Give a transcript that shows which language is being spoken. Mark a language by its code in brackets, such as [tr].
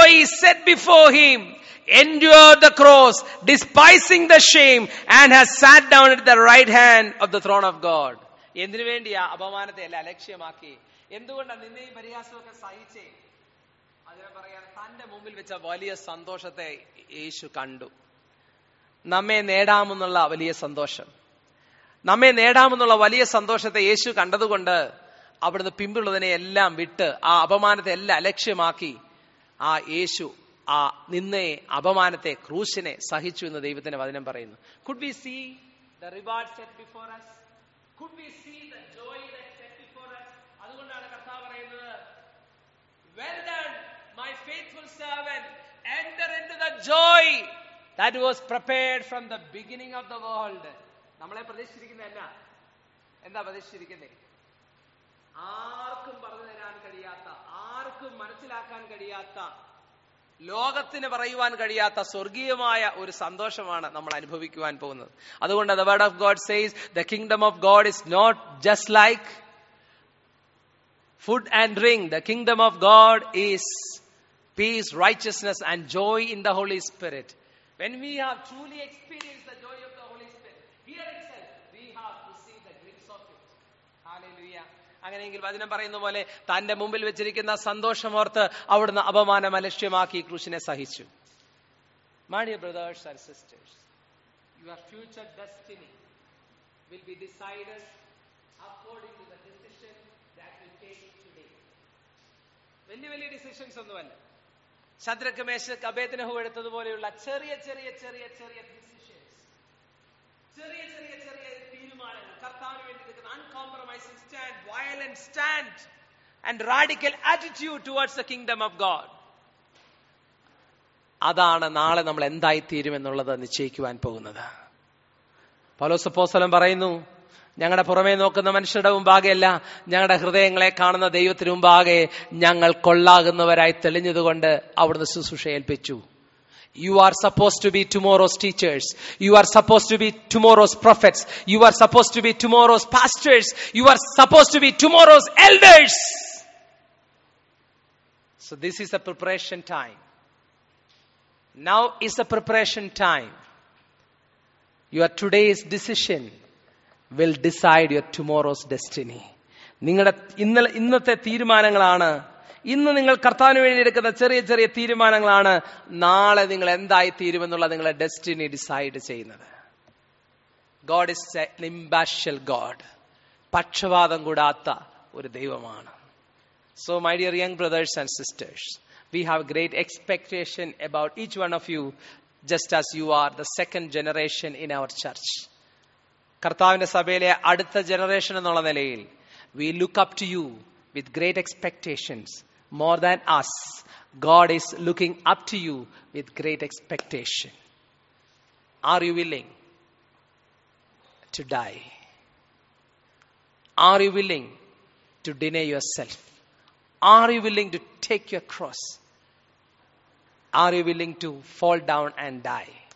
[en] For the joy set before him, endured the cross, despising the shame, and has sat down at the right hand of the throne of God. [ml] എന്തിനു വേണ്ടിയാ അപമാനത്തെ എല്ലാം അലക്ഷ്യമാക്കി, എന്തുകൊണ്ടാണ് നിന്നെ ഈ പരിഹാസമൊക്കെ സഹിച്ചേ? തന്റെ മുമ്പിൽ വെച്ച വലിയ സന്തോഷത്തെ യേശു കണ്ടു. നമ്മെ നേടാമെന്നുള്ള വലിയ സന്തോഷം, നമ്മെ നേടാമെന്നുള്ള വലിയ സന്തോഷത്തെ യേശു കണ്ടതുകൊണ്ട് അവിടുന്ന് പിമ്പുള്ളതിനെ എല്ലാം വിട്ട് ആ അപമാനത്തെ എല്ലാം അലക്ഷ്യമാക്കി ആ യേശു ആ നിന്നെ അപമാനത്തെ ക്രൂശിനെ സഹിച്ചു എന്ന് ദൈവത്തിന് വചനം പറയുന്നു. [en] Could we see the reward set before us? Could we see the joy that set before us? [ml] അതുകൊണ്ടാണ് കർത്താവ് പറയുന്നത്, [en] well done my faithful servant, enter into the joy that was prepared from the beginning of the world. [ml] നമ്മളെ പ്രതീക്ഷിച്ചിരിക്കുന്ന എന്താ പ്രതീക്ഷിച്ചിരിക്കുന്നത്? ആർക്കും പറഞ്ഞു തരാൻ കഴിയാത്ത, ആർക്കും മനസ്സിലാക്കാൻ കഴിയാത്ത, ലോകത്തിന് പറയുവാൻ കഴിയാത്ത സ്വർഗീയമായ ഒരു സന്തോഷമാണ് നമ്മൾ അനുഭവിക്കുവാൻ പോകുന്നത്. അതുകൊണ്ട് [en] the word of God says the kingdom of God is not just like food and drink. The kingdom of God is peace, righteousness and joy in the Holy Spirit. When we have truly experienced the joy of the Holy Spirit, here itself we have to see the glimpse of it. Hallelujah. [ml] അങ്ങനെയെങ്കിൽ വചനം പറയുന്ന പോലെ തന്റെ മുമ്പിൽ വെച്ചിരിക്കുന്ന സന്തോഷമോർത്ത് അവിടുന്ന് അപമാനം അലക്ഷ്യമാക്കി ക്രൂശിനെ സഹിച്ചു. [en] My dear brothers and sisters, your future destiny will be decided according to the decision that you take today. [ml] വലിയ വലിയ ഡിസിഷൻസ് ഒന്നുമല്ല. ശദ്രക്ക് മേശക്ക് അബേദ്നെഹു എടുത്തതുപോലെയുള്ള ചെറിയ ചെറിയ ചെറിയ ചെറിയ ഡിസിഷൻസ്, ചെറിയ ചെറിയ ചെറിയ തീരുമാനങ്ങൾ, [en] uncompromising stand, violent stand and radical attitude towards the kingdom of God. [ml] adana naale nammal endai theerum ennullada nischayikkuvan pogunathu. paulos apostolam parayunu, ഞങ്ങളുടെ പുറമേ നോക്കുന്ന മനുഷ്യരുടെ മുമ്പാകെയല്ല, ഞങ്ങളുടെ ഹൃദയങ്ങളെ കാണുന്ന ദൈവത്തിന് മുമ്പാകെ ഞങ്ങൾ കൊള്ളാകുന്നവരായി തെളിഞ്ഞതുകൊണ്ട് അവിടുന്ന് ശുശ്രൂഷ ഏൽപ്പിച്ചു. [en] You are supposed to be tomorrow's teachers. You are supposed to be tomorrow's prophets. You are supposed to be tomorrow's pastors. You are supposed to be tomorrow's elders. So this is the preparation time. Now is the preparation time. Your today's decision will decide your tomorrow's destiny. [ml] നിങ്ങളുടെ ഇന്നത്തെ തീരുമാനങ്ങളാണ്, ഇന്ന് നിങ്ങൾ കർത്താവിന് വേണ്ടി എടുക്കുന്ന ചെറിയ ചെറിയ തീരുമാനങ്ങളാണ് നാളെ നിങ്ങൾ എന്തായി തീരുമെന്നുള്ള നിങ്ങളുടെ ഡെസ്റ്റിനി ഡിസൈഡ് ചെയ്യുന്നത്. [en] God is a impartial God, [ml] പക്ഷപാതം കൂടാത്ത ഒരു ദൈവമാണ്. [en] So my dear young brothers and sisters, we have great expectation about each one of you, just as you are the second generation in our church. [ml] കർത്താവിന്റെ സഭയിലെ അടുത്ത generation എന്നുള്ള നിലയിൽ [en] We look up to you with great expectations. More than us, God is looking up to you with great expectation. Are you willing to die? Are you willing to deny yourself? Are you willing to take your cross? Are you willing to fall down and die?